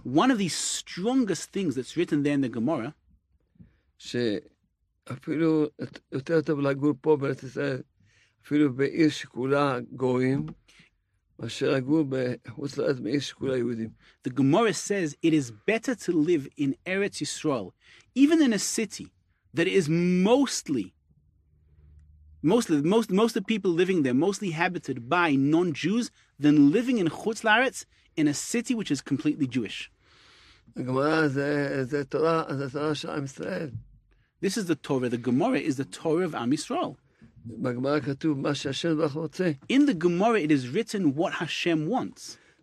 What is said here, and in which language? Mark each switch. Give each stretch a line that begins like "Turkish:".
English: One of the strongest things that's written there in the Gemara
Hebrew: שאפילו יותר טוב לגור פה בארץ ישראל, אפילו בעיר שכולה גויים, מאשר לגור בחוץ לארץ בעיר שכולה יהודים.
English: The Gemara says it is better to live in Eretz Yisrael, even in a city that is most of the people living there, mostly inhabited by non-Jews, than living in Chutz Laretz in a city which is completely Jewish.
Hebrew: הגמרא זה תורה, זה תורה של עם ישראל.
English: This is the Torah. The Gemara is the Torah of Am Yisrael. In the Gemara, it is written what Hashem wants.